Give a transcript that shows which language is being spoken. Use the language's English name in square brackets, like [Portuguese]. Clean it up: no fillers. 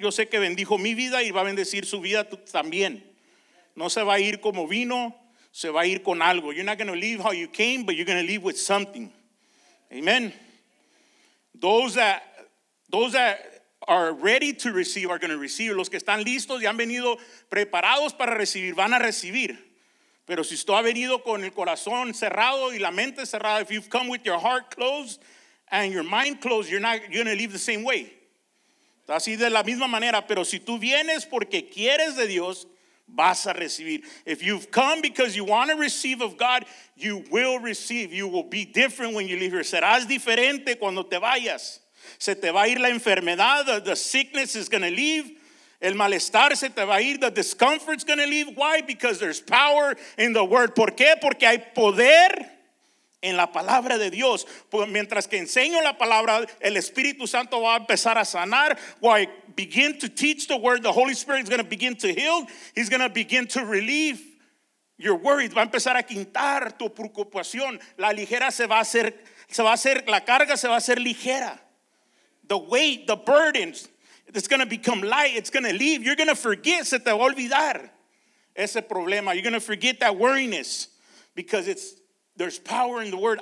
[Spanish] Yo sé que bendijo mi vida y va a bendecir su vida también. No se va a ir como vino, se va a ir con algo. [English] You're not going to leave how you came, but you're going to leave with something. Amen. Those that are ready to receive are going to receive. [Spanish] Los que están listos y han venido preparados para recibir, van a recibir. Pero si usted ha venido con el corazón cerrado y la mente cerrada, [English] if you've come with your heart closed and your mind closed, you're going to leave the same way. [Spanish] Así de la misma manera. Pero si tú vienes porque quieres de Dios, vas a recibir. [English] If you've come because you want to receive of God, you will receive. You will be different when you leave here. [Spanish] Serás diferente cuando te vayas. Se te va a ir la enfermedad. [English] The sickness is going to leave. [Spanish] El malestar se te va a ir. [English] The discomfort's going to leave. Why? Because there's power in the word. [Spanish] ¿Por qué? Porque hay poder en la palabra de Dios. Mientras que enseño la palabra, el Espíritu Santo va a empezar a sanar. [English] Why? Begin to teach the word. The Holy Spirit is going to begin to heal. He's going to begin to relieve your worries. [Spanish] Va a empezar a quitar tu preocupación. La ligera se va a hacer, la carga se va a hacer ligera. [English] The weight, the burdens, it's going to become light. It's going to leave. You're going to forget. [Spanish] Se te va a olvidar ese problema. [English] You're going to forget that worriness because there's power in the word.